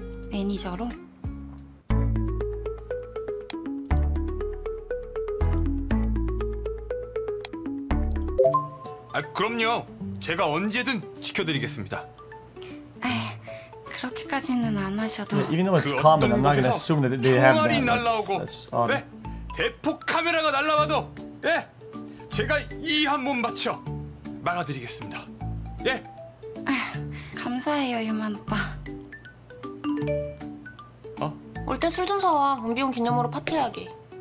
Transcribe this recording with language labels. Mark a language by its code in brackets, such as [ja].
[ko] 매니저로? 아, 그럼요. 제가 언제든 지켜드리겠습니다. 그렇게까지는 안 하셔도. [en] Yeah, even though it's 그 common, I'm not gonna assume that they have that. [ko] 총알이 날라오고, 네, 대폭 카메라가 날라와도, 예, 네. 제가 이 한 몸 맞춰 막아드리겠습니다. 예. 네. 감사해요, 유만 오빠. 어? 올 때 술 좀 사와. 은비용 기념으로 파티하게.